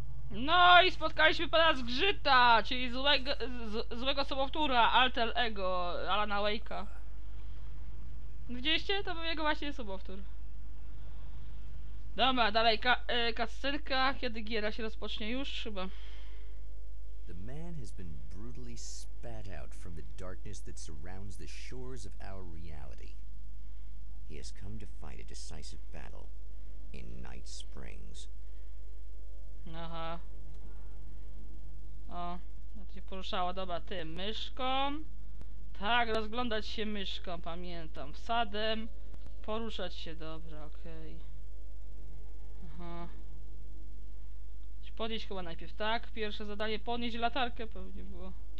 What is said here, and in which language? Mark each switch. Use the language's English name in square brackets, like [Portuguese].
[Polish] No i spotkaliśmy pana Zgrzyta, czyli złego sobowtóra, alter ego, Alana Wake'a. Widzieliście? To był jego właśnie sobowtór. Dobra, dalej kascenka, kiedy giera się rozpocznie już chyba. [English] The man has been brutally spat out from the darkness that surrounds the shores of our reality. He has come to fight a decisive battle in Night Springs. Aha. [Polish] O, to się poruszało, dobra, tym myszką. Tak, rozglądać się myszką, pamiętam. Wsadem poruszać się, dobra, okej. Okay. Aha. Podnieść chyba najpierw, tak? Pierwsze zadanie, podnieść latarkę pewnie było.